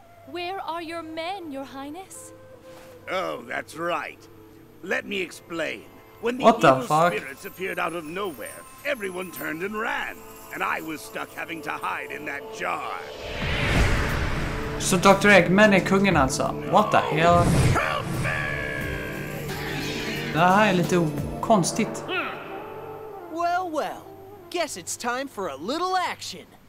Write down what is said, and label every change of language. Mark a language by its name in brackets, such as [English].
[English] Where are your men, Your Highness? Oh, that's right. Let me explain. When the evil spirits appeared out of nowhere, everyone turned and ran, and I was stuck having to hide in that jar. [Swedish] Så Dr. Eggman är kungen alltså. [English] What the hell? Help me! [Swedish] Det här är lite konstigt. [English] Well, well. Guess it's time for a little action.